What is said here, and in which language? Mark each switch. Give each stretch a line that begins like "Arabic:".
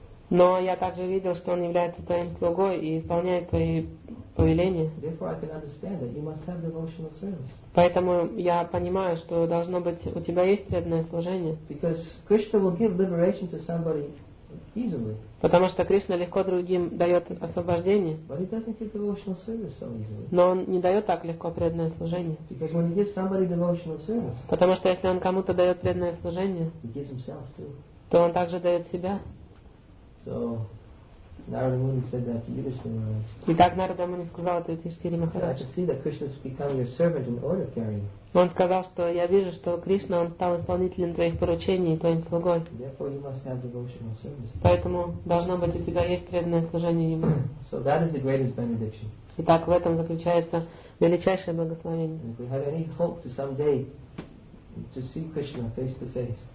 Russian: Но я также видел, что он является твоим слугой и исполняет твои повеления.
English: Therefore, I can understand that you must have devotional service.
Russian: Поэтому я понимаю, что должно быть у тебя есть преданное служение.
English: Because Krishna will give liberation to somebody easily.
Russian: Потому что Кришна легко другим дает освобождение.
English: But he doesn't give devotional service so easily.
Russian: Но он не дает так легко преданное служение.
English: Because when he gives somebody devotional service,
Russian: потому что если он кому-то дает преданное служение,
English: he gives himself too.
Russian: То он также дает себя.
English: So Narada Muni said that to Yudhishthira Maharaj.
Russian: Итак, Нарада Муни сказал это Юдхиштхире Махараджу.
English: I can see that Krishna has become your servant and order carrier.
Russian: Он сказал, что я вижу, что Кришна он стал исполнителем твоих поручений и твоим слугой.
English: Therefore, you must have devotional service.
Russian: Поэтому должно быть у тебя есть преданное служение ему.
English: So that is the greatest benediction.
Russian: Итак, в этом заключается величайшее благословение.
English: If we have any hope to someday to see Krishna face to face.